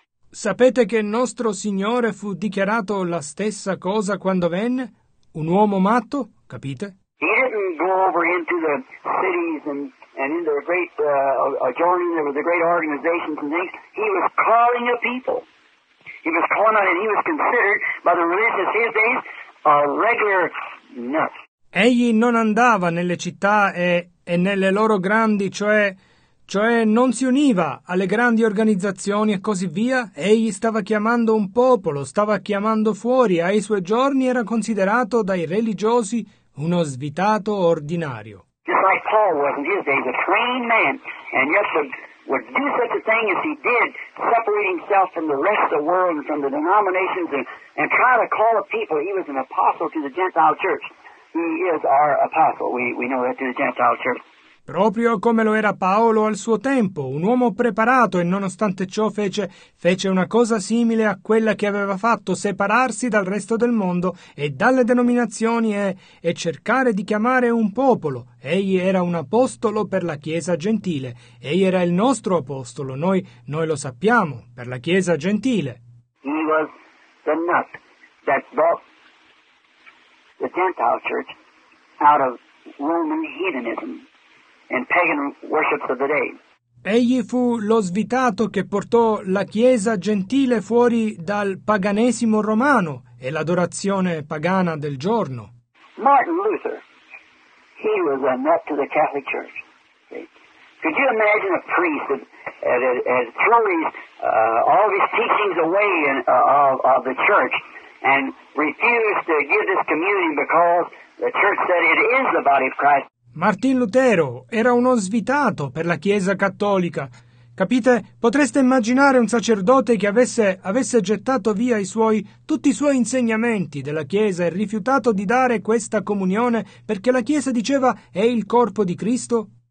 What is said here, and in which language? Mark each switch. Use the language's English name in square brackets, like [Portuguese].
[Italian] Sapete che il nostro Signore fu dichiarato la stessa cosa quando venne? Un uomo matto, capite? [English] Over into the cities and into the great adjoining there were the great organizations and things. He was calling a people. He was calling out, and he was considered by the religious his days a regular nut. [Italian] Egli non andava nelle città e nelle loro grandi, cioè non si univa alle grandi organizzazioni e così via. Egli stava chiamando un popolo, stava chiamando fuori. Ai suoi giorni era considerato dai religiosi uno svitato ordinario. [English] Just like Paul was in his days, a trained man, and yet would do such a thing as he did, separating himself from the rest of the world and from the denominations and try to call a people. He was an apostle to the Gentile church. He is our apostle. We know that to the Gentile church. [Italian] Proprio come lo era Paolo al suo tempo, un uomo preparato e nonostante ciò fece una cosa simile a quella che aveva fatto, separarsi dal resto del mondo e dalle denominazioni e cercare di chiamare un popolo. Egli era un apostolo per la Chiesa Gentile. Egli era il nostro apostolo, noi lo sappiamo, per la Chiesa Gentile. [English] He was the nut that brought the Gentile Church out of Roman heathenism. And pagan worships of the day. [Italian] Egli fu lo svitato che portò la Chiesa gentile fuori dal paganesimo romano e l'adorazione pagana del giorno. [English] Martin Luther, he was a nut to the Catholic Church. Could you imagine a priest that threw all his teachings away of the church and refused to give this communion because the church said it is the body of Christ? [Italian] Martin Lutero era uno svitato per la Chiesa Cattolica. Capite? Potreste immaginare un sacerdote che avesse gettato via tutti i suoi insegnamenti della Chiesa e rifiutato di dare questa comunione perché la Chiesa diceva è il corpo di Cristo?